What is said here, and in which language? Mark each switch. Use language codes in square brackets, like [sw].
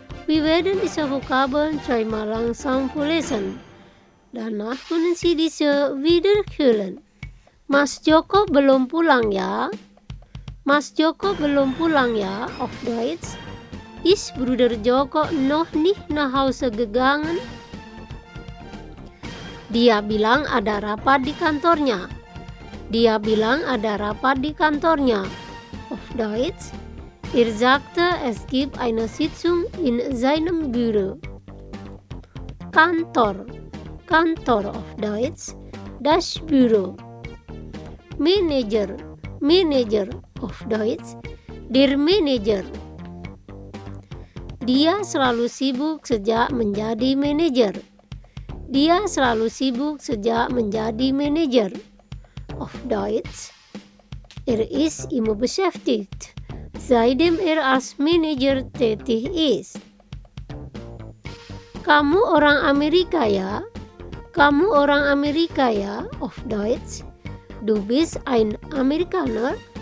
[de] Wir werden diese Vokabeln zweimal langsam vorlesen. Danach können Sie diese wiederholen. [id] Mas Joko belum pulang ya? Mas Joko belum pulang ya? [de] Auf Deutsch. Is Bruder Joko noch nicht nach Hause gegangen? [id] Dia bilang ada rapat di kantornya. Dia bilang ada rapat di kantornya. [de] Auf Deutsch. Er sagte, es gibt eine Sitzung in seinem Büro. Kantor. Kantor auf Deutsch. Das Büro. Manager. Manager auf Deutsch. Der Manager. [id] Dia selalu sibuk sejak menjadi manajer. Dia selalu sibuk sejak menjadi manajer. [de] Auf Deutsch. Er ist immer beschäftigt, seitdem er als manager tätig ist. [id] Kamu orang Amerika ya? Kamu orang Amerika ya? [de] Auf Deutsch. Du bist ein Amerikaner.